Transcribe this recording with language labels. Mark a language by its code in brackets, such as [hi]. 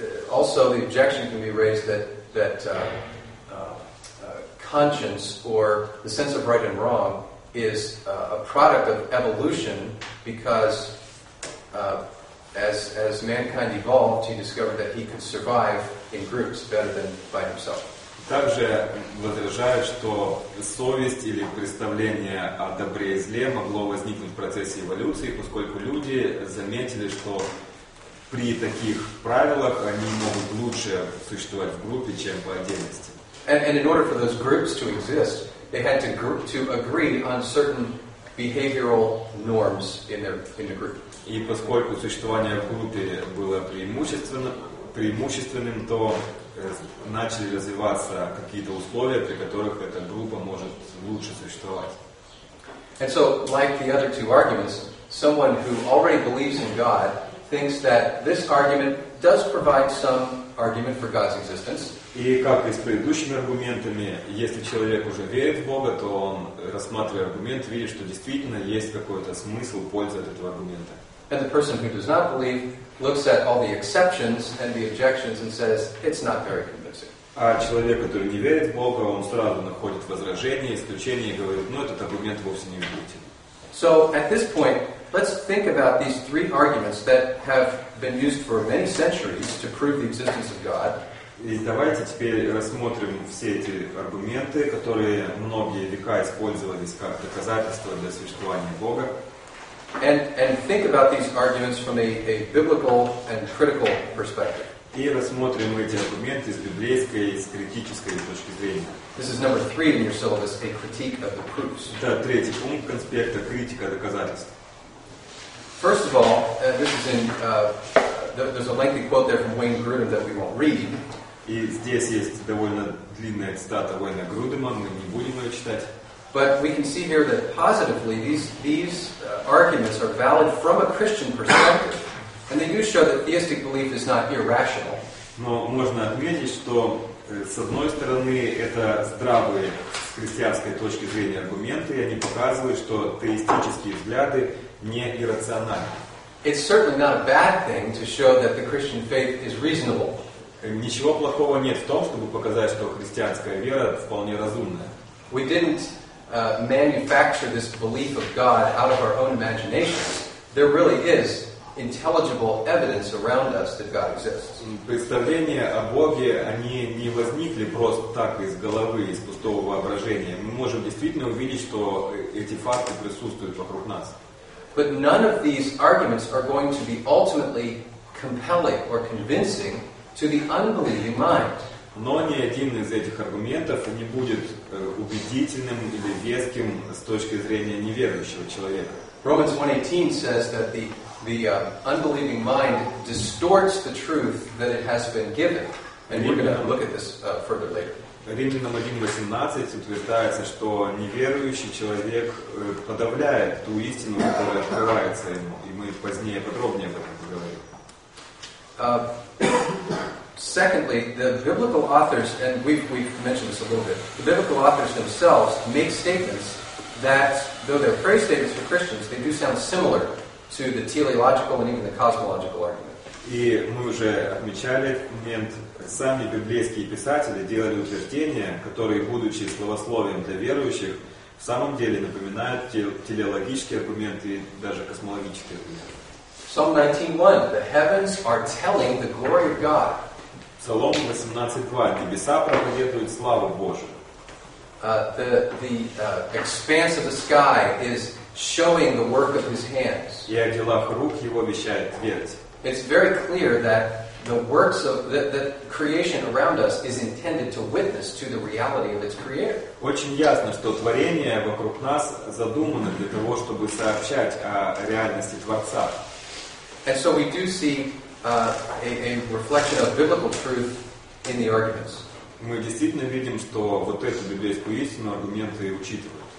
[en] Also, the objection can be raised that conscience or the sense of right and wrong is a product of evolution, because as mankind evolved, he discovered that he could survive in groups better than by himself. [ru] Также возражают, что совесть или представление о добре и зле могло возникнуть в процессе эволюции, поскольку люди заметили, что при таких правилах они могут лучше существовать в группе, чем по отдельности. [en] And in order for those groups to exist, they had to agree on certain behavioral norms in the group. [ru] И поскольку существование в группе было преимущественным, то начали развиваться какие-то условия, при которых эта группа может лучше существовать. [en] And so, like the other two arguments, someone who already believes in God thinks that this argument does provide some argument for God's existence. [ru] И как и с предыдущими аргументами, если человек уже верит в Бога, то он, рассматривая аргумент, видит, что действительно есть какой-то смысл, польза от этого аргумента. [en] And the person who does not believe looks at all the exceptions and the objections and says, it's not very convincing. [ru] А человек, который не верит в Бога, он сразу находит возражения, исключения и говорит, ну, этот аргумент вовсе не убедителен. [en] So, at this point, let's think about these three arguments that have been used for many centuries to prove the existence of God. [ru] И давайте теперь рассмотрим все эти аргументы, которые многие века использовались как доказательство для существования Бога. [en] And think about these arguments from a biblical and critical perspective. [ru] И рассмотрим эти аргументы с библейской и с критической точки зрения. [en] This is number 3 in your syllabus, a critique of the proofs. [ru] Это третий пункт конспекта, критика доказательств. [en] First of all, this is in there's a lengthy quote there from Wayne Grudem that we won't read. [ru] И здесь есть довольно длинная цитата Уэйна Грудема, мы не будем ее читать. [en] But we can see here that positively these arguments are valid from a Christian perspective, and they do show that theistic belief is not irrational. [ru] Но можно отметить, что с одной стороны это здравые с христианской точки зрения аргументы, и они показывают, что теистические взгляды не иррациональны. [en] It's certainly not a bad thing to show that the Christian faith is reasonable. [ru] Ничего плохого нет в том, чтобы показать, что христианская вера вполне разумная. [en] We didn't manufacture this belief of God out of our own imaginations. There really is intelligible evidence around us that God exists. [ru] Представления о Боге, они не возникли просто так из головы, из пустого воображения. Мы можем действительно увидеть, что эти факты присутствуют вокруг нас. [en] But none of these arguments are going to be ultimately compelling or convincing to the unbelieving mind. [ru] Но ни один из этих аргументов не будет убедительным или веским с точки зрения неверующего человека. [en] Romans 1:18 says that the unbelieving mind distorts the truth that it has been given. And we're going to look at this further later. [ru] Римлянам 1:18 утверждается, что неверующий человек подавляет ту истину, которая открывается ему. И мы позднее подробнее об этом поговорим. [en] Secondly, the biblical authors, and we've mentioned this a little bit, the biblical authors themselves make statements that, though they're praise statements for Christians, they do sound similar to the teleological and even the cosmological argument. [ru] И мы уже отмечали момент, сами библейские писатели делали утверждения, которые, будучи словословием для верующих, в самом деле напоминают телеологические аргументы и даже космологические аргументы. [en] Psalm 19:1, the heavens are telling the glory of God. [ru] Псалом 18:2. Небеса проповедуют славу Божию. [en] The expanse of the sky is showing the work of His hands. [ru] И о делах рук Его вещает твердь. [en] It's very clear that the works of the creation around us is intended to witness to the reality of its creator. [ru] Очень ясно, что творение вокруг нас задумано для того, чтобы сообщать о реальности Творца. [en] And so we do see a reflection of biblical truth in the arguments. [ru] Мы действительно видим, что вот эту библейскую истину аргументы учитывают.